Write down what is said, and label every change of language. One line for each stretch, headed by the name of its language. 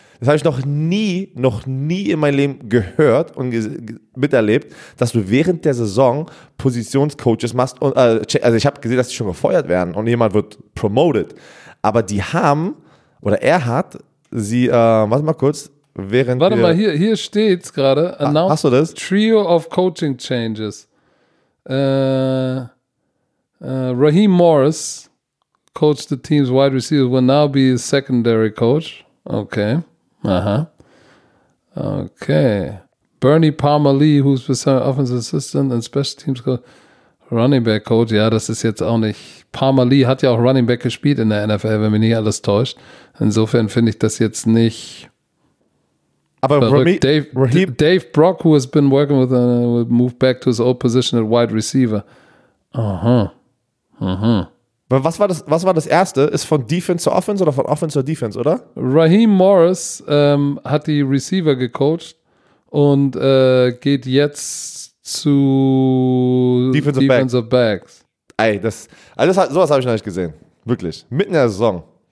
German: Das habe ich noch nie in meinem Leben gehört und miterlebt, dass du während der Saison Positionscoaches machst. Und, also ich habe gesehen, dass die schon gefeuert werden und jemand wird promoted. Aber die haben, oder er hat, sie, warte mal kurz, während warte wir... Warte mal, hier steht es gerade. Hast du das?
English: Trio of Coaching Changes. Raheem Morris coached the team's wide receiver, will now be a secondary coach. Okay. Aha. Okay. Bernie Palmer Lee, who's the offensive assistant and special teams coach.
German: Running Back Coach, ja, das ist jetzt auch nicht. Palmer Lee hat ja auch Running Back gespielt in der NFL, wenn mich nicht alles täuscht. Insofern finde ich das jetzt nicht. Aber
English: Dave Brock, who has been working with, will move back to his old position at wide receiver.
German: Aha. Aha. Aber was war das erste? Ist von Defense zur Offense oder von Offense zur Defense, oder? Raheem Morris hat die Receiver gecoacht und geht jetzt zu Defensive Backs. Ey, sowas habe ich noch nicht gesehen. Wirklich. Mitten in der Saison.